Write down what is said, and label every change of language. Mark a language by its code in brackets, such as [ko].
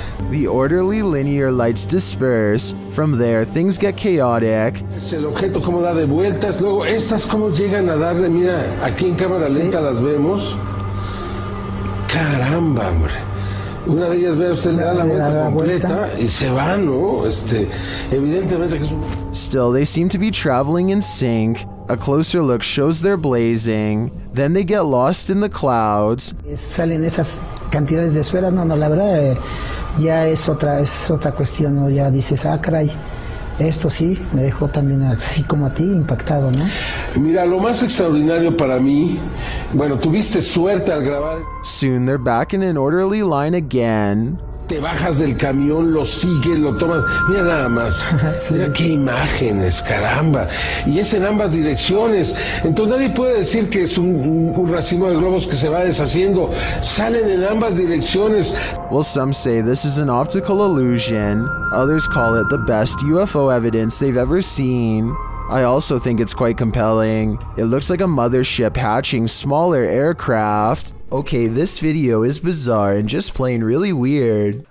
[en] The orderly linear lights disperse. From there, things get chaotic. [es] Es el objeto como da de vueltas. Luego, estas como llegan a darle, mira, aquí en cámara lenta las vemos. Caramba, hombre. Una de ellas ve a usted, le da la vuelta completa. Y se va, ¿no? Evidentemente que es un... [en] Still, they seem to be traveling in sync. A closer look shows they're blazing. Then they get lost in the clouds. [es] Salen esas cantidades de esferas. No, la verdad, ya es otra cuestión, ¿no? Ya dices, ah, caray. Esto sí, me dejó también así como a ti, impactado, ¿no? Mira, lo más extraordinario para mí, bueno, tuviste suerte al grabar. [en] Soon they're back in an orderly line again. [es] Te bajas del camión, lo sigues, lo tomas, mira nada más. Sí. Mira qué imágenes, caramba. Y es en ambas direcciones. Entonces nadie puede decir que es un racimo de globos que se va deshaciendo. Salen en ambas direcciones. [en] Well, some say this is an optical illusion. Others call it the best UFO evidence they've ever seen. I also think it's quite compelling. It looks like a mothership hatching smaller aircraft. Okay, this video is bizarre and just plain really weird.